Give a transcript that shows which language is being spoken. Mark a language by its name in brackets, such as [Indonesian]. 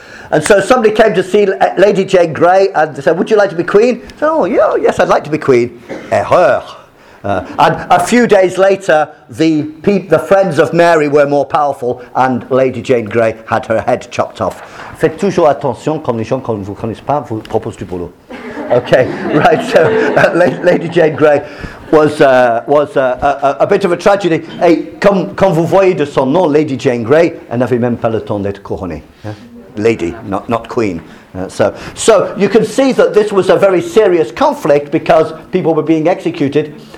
[English] And so somebody came to see Lady Jane Grey and said, would you like to be queen? She said, oh, yeah, yes, I'd like to be queen. And a few days later, the friends of Mary were more powerful and Lady Jane Grey had her head chopped off. [French] Faites toujours attention quand les gens que vous connaissez pas vous proposent du boulot. [English] Okay, right, so Lady Jane Grey was a bit of a tragedy. [French] Hey, comme vous voyez de son nom, Lady Jane Grey, elle n'avait même pas le temps d'être couronnée. [English] Yeah? Lady, not queen. So you can see that this was a very serious conflict because people were being executed.